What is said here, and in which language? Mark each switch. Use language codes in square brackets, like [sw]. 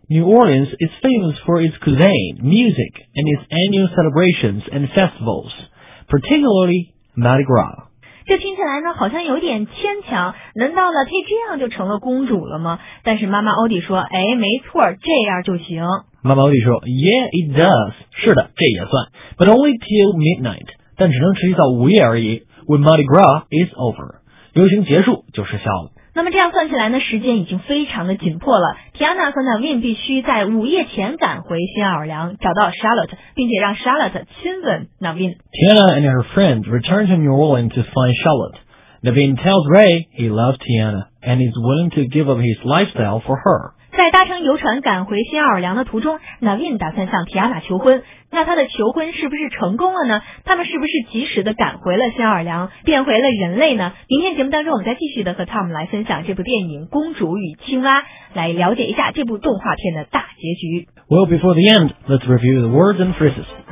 [en] New Orleans is famous for its cuisine, music, and its annual celebrations and festivals, particularly Mardi Gras. [zh] 这听起来呢好像有点牵强，难道呢她这样就成了公主了吗？但是妈妈欧迪说，哎，没错，这样就行。妈妈欧迪说 ， [en] Yeah, it does. [zh] 是的，这也算。 [en] But only till midnight. [zh] 但只能持续到午夜而已。 [en] When Mardi Gras is over, [zh] 游行结束就失效了。那么这样算起来呢，时间已经非常的紧迫了。提安娜和 Navin 必须在午夜前赶回新奥尔良，找到 Charlotte， 并且让 Charlotte 亲吻 Navin。 [en] 提安娜 and her friends return to New Orleans to find Charlotte. Navin tells Ray he loves Tiana and is willing to give up his lifestyle for her. [zh] 在搭乘游船赶回新奥尔良的途中， Navin 打算向提安娜求婚。那他的求婚是不是成功了呢？他们是不是及时的赶回了新奥尔良，变回了人类呢？明天节目当中我们再继续的和 Tom 来分享这部电影《公主与青蛙》，来了解一下这部动画片的大结局。 [en] Well, before the end, let's review the words and phrases.